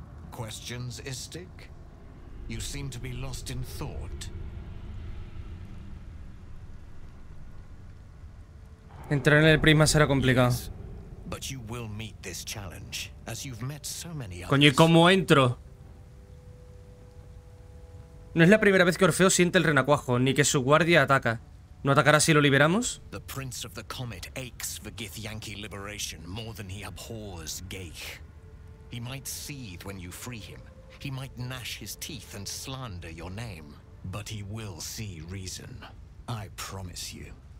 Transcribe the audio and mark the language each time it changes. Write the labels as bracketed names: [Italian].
[English] Questions, Istik? You seem to be lost in thought. [Spanish] Entrar en el prisma será complicado. [English] Yes. But you will meet this challenge, as you've met so many others. [Spanish] Coño, ¿y cómo entro? No es la primera vez que Orfeo siente el renacuajo, ni que su guardia ataca. ¿No atacará si lo liberamos? [English] The prince of the comet aches for Githyanki liberation more than he abhors Geich. He might seethe when you free him. He might gnash his teeth and slander your name. But he will see reason. I promise you.